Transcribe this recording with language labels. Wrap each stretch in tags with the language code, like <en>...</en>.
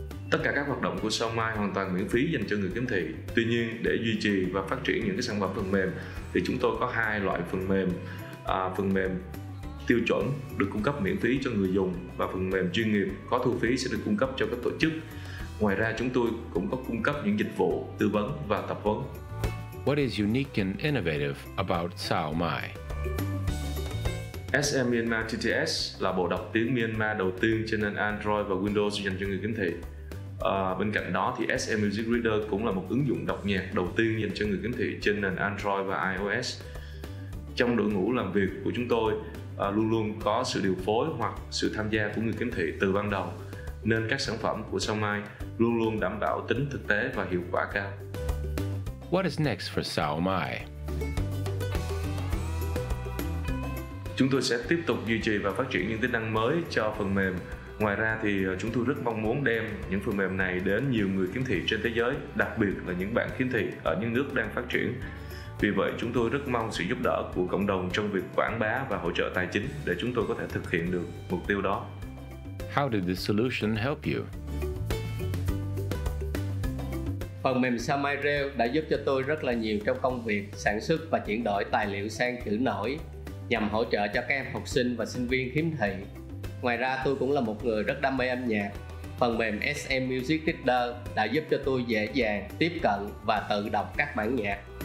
<vi>Tất cả các hoạt động của Saomai hoàn toàn miễn phí dành cho người khiếm thị. Tuy nhiên, để duy trì và phát triển những cái sản phẩm phần mềm thì chúng tôi có hai loại phần mềm. Phần mềm tiêu chuẩn được cung cấp miễn phí cho người dùng và phần mềm chuyên nghiệp có thu phí sẽ được cung cấp cho các tổ chức. Ngoài ra, chúng tôi cũng có cung cấp những dịch vụ, tư vấn và tập huấn.</vi> <en>What is unique and innovative about Saomai?</en> <vi>SM Myanmar TTS là bộ đọc tiếng Myanmar đầu tiên trên nền Android và Windows dành cho người khiếm thị. Bên cạnh đó thì SM Music Reader cũng là một ứng dụng đọc nhạc đầu tiên dành cho người khiếm thị trên nền Android và iOS. Trong đội ngũ làm việc của chúng tôi luôn luôn có sự điều phối hoặc sự tham gia của người khiếm thị từ ban đầu, nên các sản phẩm của Saomai luôn luôn đảm bảo tính thực tế và hiệu quả cao.</vi> <en>What is next for Saomai?</en> <vi>Chúng tôi sẽ tiếp tục duy trì và phát triển những tính năng mới cho phần mềm. Ngoài ra thì chúng tôi rất mong muốn đem những phần mềm này đến nhiều người khiếm thị trên thế giới, đặc biệt là những bạn khiếm thị ở những nước đang phát triển. Vì vậy, chúng tôi rất mong sự giúp đỡ của cộng đồng trong việc quảng bá và hỗ trợ tài chính để chúng tôi có thể thực hiện được mục tiêu đó.</vi> <en>How did this solution help you?</en> <vi>Phần mềm Saomai Reo đã giúp cho tôi rất là nhiều trong công việc sản xuất và chuyển đổi tài liệu sang chữ nổi nhằm hỗ trợ cho các em học sinh và sinh viên khiếm thị. Ngoài ra, tôi cũng là một người rất đam mê âm nhạc. Phần mềm SM Music Reader đã giúp cho tôi dễ dàng tiếp cận và tự đọc các bản nhạc.</vi>